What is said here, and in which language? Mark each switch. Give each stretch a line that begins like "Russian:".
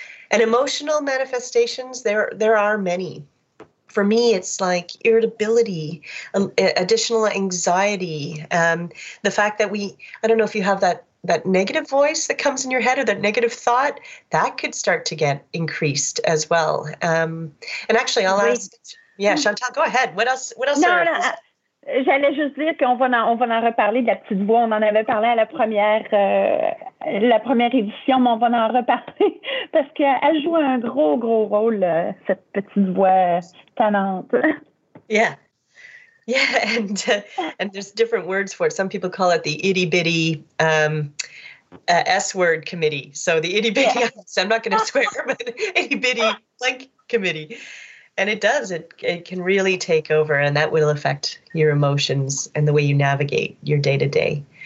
English: And emotional manifestations, there are many. For me, it's like irritability, additional anxiety, the fact that I don't know if you have that negative voice that comes in your head or that negative thought, that could start to get increased as well. And actually, I'll ask, yeah, Chantal, go ahead. What else? No.
French: J'allais juste dire qu'on va en reparler de la petite voix. On en avait parlé à la première édition, mais on va en reparler parce qu'elle joue un gros, gros rôle, cette petite voix tannante.
English: Yeah. Yeah, and there's different words for it. Some people call it the itty-bitty S-word committee. So the itty-bitty, yeah. I'm not going to swear, but itty-bitty blank committee. And it does. It can really take over, and that will affect your emotions and the way you navigate your day-to-day.